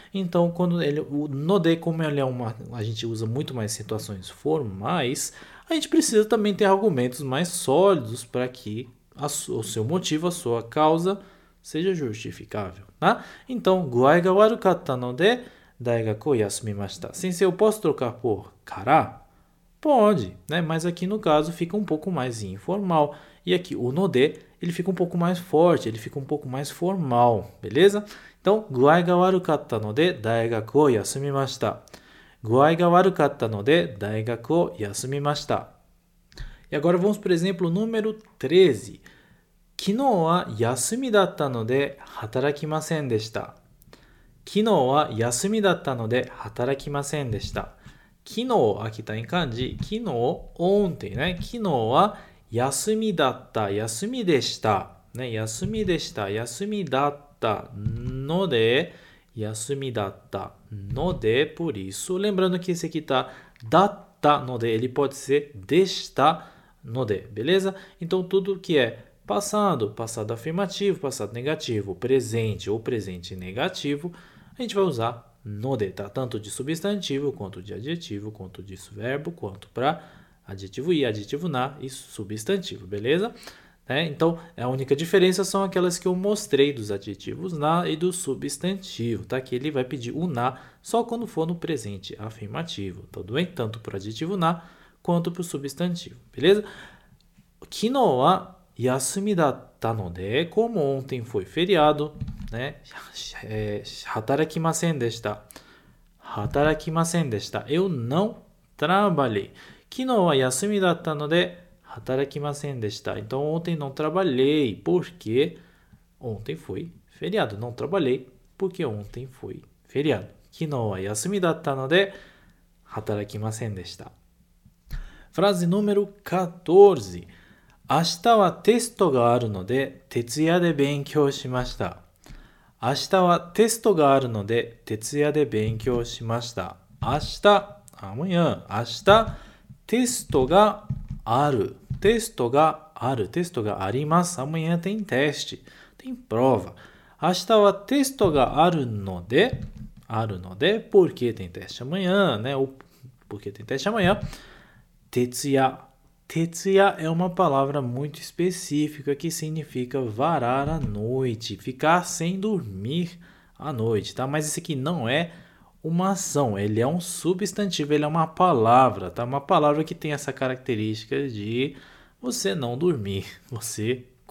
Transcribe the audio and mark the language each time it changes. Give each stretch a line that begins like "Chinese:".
Portuguese: Então, quando ele, o node, como ele é uma, a gente usa muito mais situações formais, a gente precisa também ter argumentos mais sólidos para que o seu motivo, a sua causa seja justificável, tá? Então,
Japanese: guai ga warukatta ので daigaku o yasumimashita.
Portuguese: Sem ser, eu posso trocar por kara? Pode, né? Mas aqui no caso fica um pouco mais informal. E aqui o ので, ele fica um pouco mais forte, ele fica um pouco mais formal, beleza? Então,
Japanese: 具合が悪かったので大学を休みました。具合が悪かったので大学を休みました。
Portuguese: E agora vamos para o exemplo número 13.
Japanese: 昨日は休みだったので働きませんでした。昨日は休みだったので働きませんでした。昨日、秋田に漢字、昨日、
Portuguese: ontem、ね、
Japanese: 昨日は休みだった、休みでした、ね、休みでした、休みだったので、休みだったので、
Portuguese: por isso、lembrando que esse aqui está だったので、ele pode ser でしたので、beleza? Então, tudo que é passado, passado afirmativo, passado negativo, presente ou presente negativo, a gente vai usar ので, tá? Tanto de substantivo, quanto de adjetivo, quanto de verbo, quanto para adjetivo e adjetivo na e substantivo, beleza? Né? Então, a única diferença são aquelas que eu mostrei dos adjetivos na e do substantivo, tá? Que ele vai pedir o na só quando for no presente afirmativo, tudo bem? Tanto para adjetivo na quanto para o substantivo, beleza?
Japanese: 昨日は休みだったので、
Portuguese: como ontem foi feriado, né?
Japanese: 働きませんでした。働きませんでした。
Portuguese: Eu não trabalhei.
Japanese: 昨日は休みだったので、働きませんでした。
Portuguese: Então, ontem não trabalhei, porque ontem foi feriado. Não trabalhei, porque ontem foi feriado.
Japanese: 昨日は休みだったので、働きませんでした。
Portuguese: Frase número 14.
Japanese: 明日はテストがあるので、徹夜で勉強しました。明日はテストがあるので、徹夜で勉強しました。
Portuguese: Amanhã,
Japanese: 明日テストがある。テストがある。テストがあります。
Portuguese: Amanhã tem teste, tem prova.
Japanese: 明日はテストがあるので、あるので、
Portuguese: porque tem teste amanhã, né? Ou porque tem teste amanhã.
Japanese: 徹夜。
Portuguese: 徹夜é uma palavra muito específica que significa varar a noite, ficar sem dormir à noite, tá? Mas esse aqui não é uma ação, ele é um substantivo, ele é uma palavra, tá? Uma palavra que tem essa característica de você não dormir, você